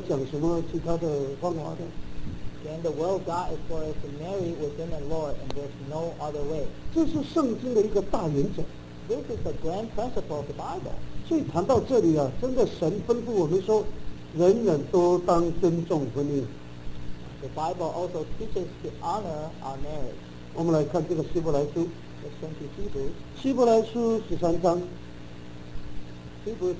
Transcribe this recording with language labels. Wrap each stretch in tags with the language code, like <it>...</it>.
<zh>所以，神的旨意就是嫁娶主内，他并没有再另外讲什么其他的方法的。</zh> <en>And the will of God is for us to marry within the Lord, and there's no other way.</en> <zh>这是圣经的一个大原则。</zh> <en>This is the grand principle of the Bible.</en> <zh>所以谈到这里啊，真的神吩咐我们说，人人都当尊重婚姻。</zh> <en>The Bible also teaches to honor our marriage.</en> <zh>我们来看这个希伯来书。</zh> <en>Let's turn to Hebrews.</en> <zh>希伯来书13章。Hebrews</zh>